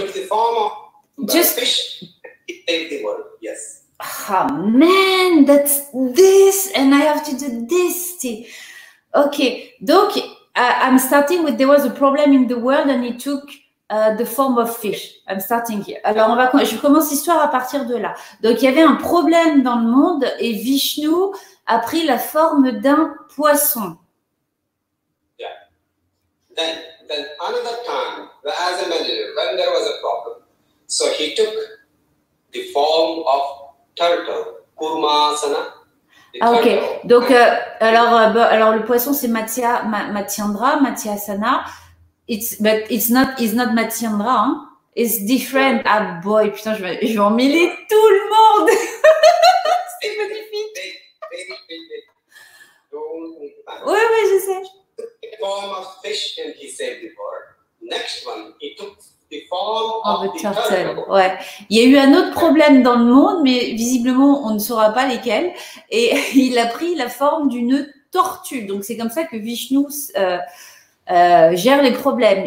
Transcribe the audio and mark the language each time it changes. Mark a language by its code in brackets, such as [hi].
[en] He took the form of Just a fish takes the world, yes. Oh man, that's this, and I have to do this. Okay, donc I'm starting with there was a problem in the world and it took the form of fish. I'm starting here. [fr] Alors on va, je commence l'histoire à partir de là. Donc il y avait un problème dans le monde et Vishnu a pris la forme d'un poisson. [en] Yeah. Then another time, as a manager, when there was a problem, so he took the form of turtle, [fr] Kurma Asana. Ah, ok. Donc, alors le poisson, c'est Matsyasana. [en] It's not Matsyandra. Hein. It's different. [fr] Ah, boy, putain, je vais emmêler tout le monde. C'est magnifique. Oui, oui, je sais. [en] The form of fish, and he said before. Next one, he took. The turtle. [fr] Ouais. Il y a eu un autre problème dans le monde, mais visiblement, on ne saura pas lesquels. Et il a pris la forme d'une tortue. Donc, c'est comme ça que Vishnu gère les problèmes.